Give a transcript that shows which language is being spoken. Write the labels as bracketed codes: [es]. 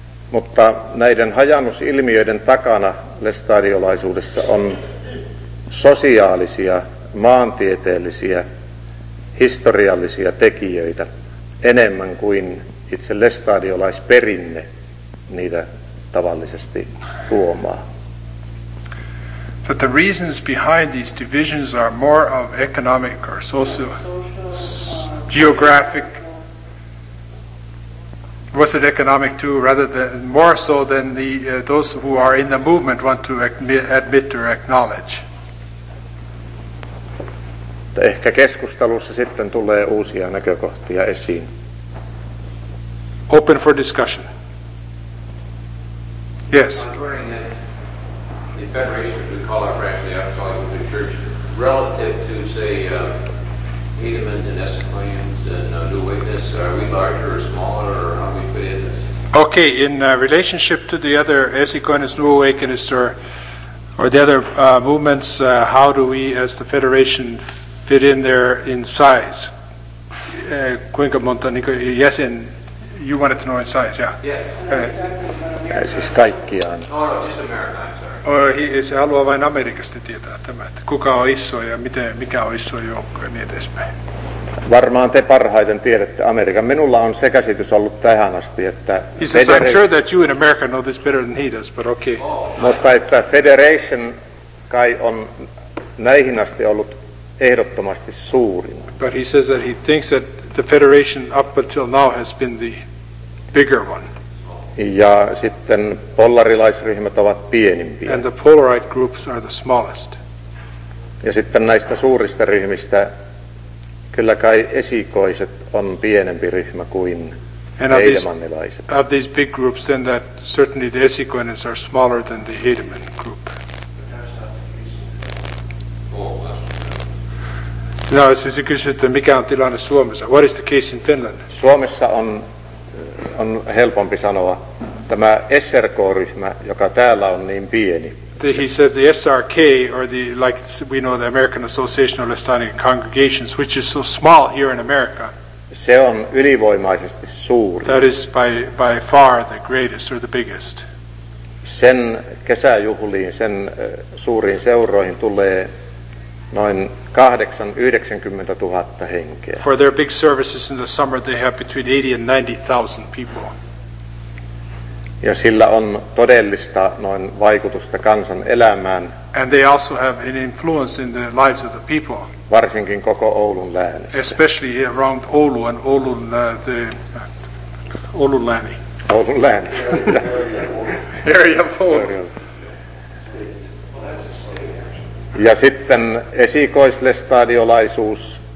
[fi] Mutta näiden hajannusilmiöiden takana lestadiolaisuudessa on sosiaalisia, maantieteellisiä, historiallisia tekijöitä enemmän kuin itse lestadiolaisperinne niitä tavallisesti huomaa. [en] that the reasons behind these divisions are more of economic or social, geographic. Was it economic too, rather than more so than the those who are in the movement want to admit or acknowledge? [fi] Ehkä keskustelussa sitten tulee uusia näkökohtia esiin. [en] Open for discussion. Yes. I'm wondering if the Federation, we call it frankly, I'm calling it the church, relative to, say, Edmund and Esquians and Witness, are we larger or smaller, or how we fit in this? Okay, in relationship to the other Esquians, New Awakeness, or the other movements, how do we as the Federation fit in there in size? [fi] Kuinka monta, [en] yes, in. You wanted to know in size, yeah. Yes. [fi] Siis kaikkiaan. [en] No, just America, I'm sorry. [fi] Se haluaa vain Amerikasta tietää tämä, että kuka on iso ja miten, mikä on iso joukko ja niin edespäin. Varmaan te parhaiten tiedätte Amerikan. Minulla on se käsitys ollut tähän asti, että... [en] I'm sure that you in America know this better than he does, but okay. [fi] Mutta että Federation kai on näihin asti ollut ehdottomasti suurin. [en] But he says that he thinks that the Federation up until now has been the bigger one. [fi] Ja sitten polarilaisryhmät ovat pienimpiä. [en] And the polarite groups are the smallest. [fi] Ja sitten näistä suurista ryhmistä kyllä kai esikoiset on pienempi ryhmä kuin heidemannilaiset. [en] Of these big groups, then that certainly the esikoinens are smaller than the Heidemann group. [fi] No, siis kysyt, että mikä on tilanne Suomessa? [en] What is the case in Finland? [fi] Suomessa on helpompi sanoa. Tämä SRK-ryhmä, joka täällä on niin pieni. [en] He said the SRK, or the, like we know, the American Association of Lestadian Congregations, which is so small here in America. [fi] Se on ylivoimaisesti suuri. [en] That is by far the greatest or the biggest. [fi] Sen kesäjuhliin, sen suuriin seuroihin tulee noin 80,000 henkeä. [en] For their big services in the summer, they have between 80 and 90,000 people. [fi] Ja sillä on todellista noin vaikutusta kansan elämään. [en] And they also have an influence in the lives of the people. [fi] Varsinkin koko Oulun läänissä. [en] Especially around Oulu and Oulun, the Oulun lääni. [fi] Oulun lääni. [en] Area of Oulu. [fi] Ja sitten esikoislestadiolaisuus.